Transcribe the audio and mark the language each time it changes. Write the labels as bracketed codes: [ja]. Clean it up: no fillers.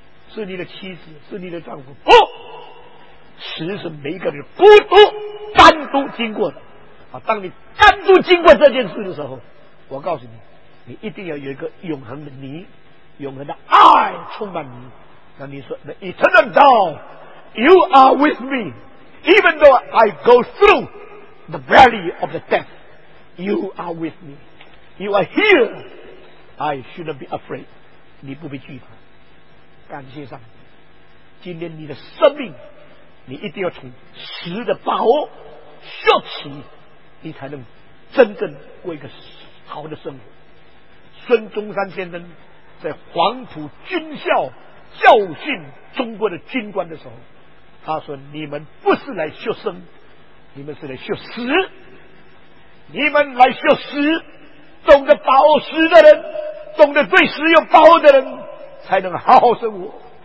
[zh] 是你的妻子，是你的丈夫？不，死是每个人孤独单独经过的。当你单独经过这件事的时候，我告诉你，你一定要有一个永恒的你，永恒的爱充满你。那你说 [en] The eternal God you are with me even though I go through the valley of the death, you are with me, you are here, I shouldn't be afraid. [zh] 你不必惧怕。感谢上帝，今天你的生命你一定要从死的把握学习，你才能真正过一个好的生活。孙中山先生在黄埔军校教训中国的军官的时候，他说，你们不是来学生，你们是来学死，你们来学死，懂得把握死的人，懂得对死有把握的人才能好好生活。